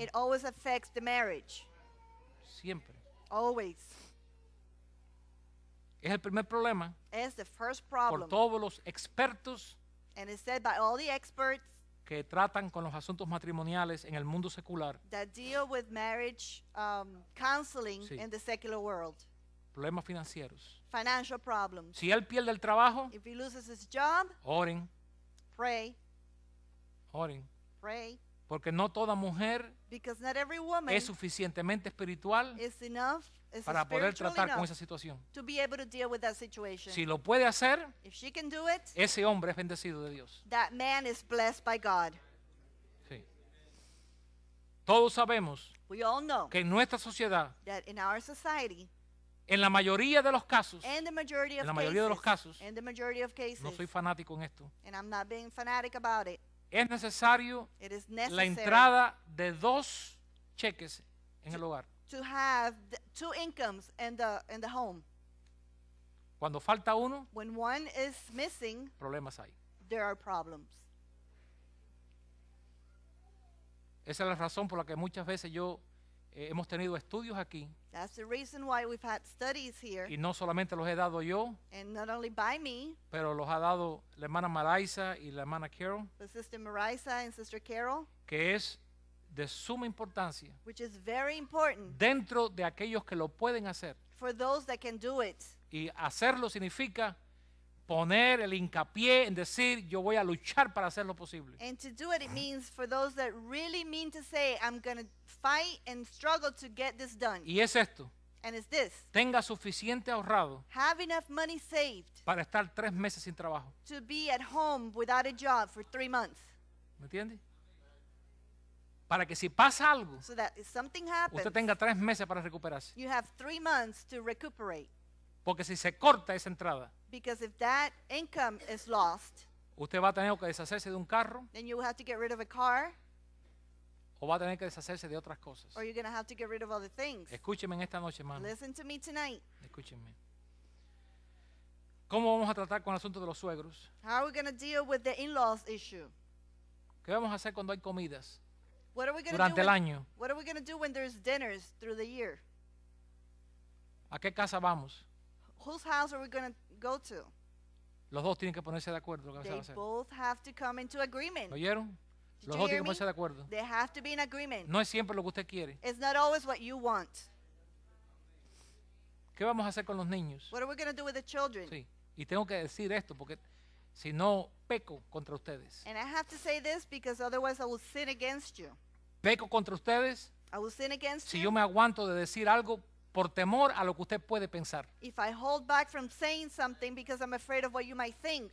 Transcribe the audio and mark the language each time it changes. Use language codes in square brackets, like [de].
[en] It always affects the marriage. [es] Siempre. [en] Always. [es] Es el primer problema. [en] It's the first problem. [es] Por todos los expertos. [en] And it's said by all the experts [es] que tratan con los asuntos matrimoniales en el mundo secular, [en] that deal with marriage counseling, sí, in the secular world. [es] Problemas financieros. [en] Financial problems. [es] Si él pierde el trabajo, [en] if he loses his job, [es] oren. [en] Pray. [es] Oren. [en] Pray. [es] Porque no toda mujer, [en] because not every woman, [es] es suficientemente espiritual, [en] is enough, is [es] para poder tratar con esa situación. [en] To be able to deal with that situation. [es] Si lo puede hacer, [en] if she can do it, [es] ese hombre es bendecido de Dios. [en] That man is blessed by God. [es] Sí. Todos sabemos, [en] we all know, [es] que en nuestra sociedad, [en] that in our society, [es] en la mayoría de los casos, [en] and the majority of [es] en la mayoría [en] cases, [es] de los casos, [en] and the majority of cases, [es] no soy fanático en esto, [en] and I'm not being fanatic about it, [es] es necesario, [en] it is necessary, [es] la entrada de dos cheques en el hogar. [en] To have the two incomes in the home. [es] Cuando falta uno, [en] when one is missing, [es] problemas hay. [en] There are problems. [es] Esa es la razón por la que muchas veces yo hemos tenido estudios aquí. [en] That's the reason why we've had studies here. [es] Y no solamente los he dado yo, [en] and not only by me, [es] pero los ha dado la hermana Maraisa y la hermana Carol, [en] but Sister Maraisa and Sister Carol, [es] que es de suma importancia, [en] which is very important, [es] dentro de aquellos que lo pueden hacer, [en] for those that can do it. [es] Y hacerlo significa poner el hincapié en decir, yo voy a luchar para hacer lo posible. [en] And to do it, it means for those that really mean to say, I'm going to fight and struggle to get this done. [es] Y es esto. [en] And it's this. [es] Tenga suficiente ahorrado. [en] Have enough money saved. [es] Para estar 3 meses sin trabajo. [en] To be at home without a job for 3 months. [es] ¿Me entiende? Para que si pasa algo, [en] so that if something happens, usted tenga 3 meses para recuperarse. You have 3 months to recuperate. [es] Porque si se corta esa entrada, [en] because if that income is lost, [es] usted va a tener que deshacerse de un carro, [en] then you will have to get rid of a car, [es] o va a tener que deshacerse de otras cosas, [en] or you're going to have to get rid of other things. [es] Escúcheme en esta noche, hermano. [en] Listen to me tonight. [es] Escúcheme. ¿Cómo vamos a tratar con el asunto de los suegros? [en] How are we going to deal with the in-laws issue? [es] ¿Qué vamos a hacer cuando hay comidas? [en] What are we going [es] durante [en] do [es] el año? [en] What are we going to do when there's dinners through the year? [es] ¿A qué casa vamos? [en] Whose house are we going to go to? [es] Los dos tienen que ponerse de acuerdo lo que [en] they [es] va a hacer. [en] Both have to come into agreement. [es] ¿Oyeron? [en] Did [es] los [en] you [es] dos [en] hear [es] Que ponerse de acuerdo. [en] They have to be in agreement. [es] No es siempre lo que usted quiere. [en] It's not always what you want. [es] ¿Qué vamos a hacer con los niños? [en] What are we going to do with the children? [es] Sí. Y tengo que decir esto porque si no peco contra ustedes. [en] And I have to say this because otherwise I will sin against you. [es] Peco contra ustedes. [en] I will sin against [es] si [en] you. [es] Yo me aguanto de decir algo por temor a lo que usted puede pensar. [en] If I hold back from saying something because I'm afraid of what you might think.